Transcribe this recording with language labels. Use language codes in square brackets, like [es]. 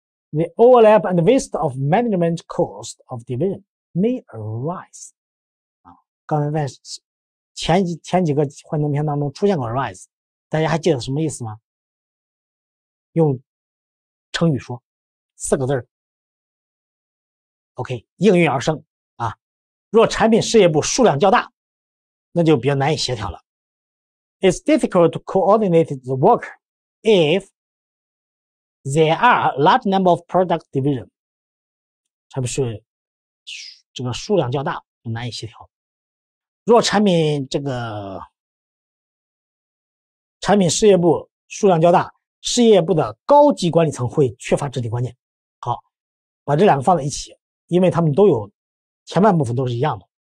[en] The overlap and waste of management cost of division may arise、啊、 [zh] 刚才在 前几个幻灯片当中出现过 arise， 大家还记得什么意思吗？用成语说四个字 OK， 应运而生啊。若产品事业部数量较大那就比较难以协调了。 [en] It's difficult to coordinate the workIf there are a large number of product division， [zh] 产品这个数量较大难以协调。若产品事业部数量较大，事业部的高级管理层会缺乏整体观念。好，把这两个放在一起，因为他们都有前半部分都是一样的。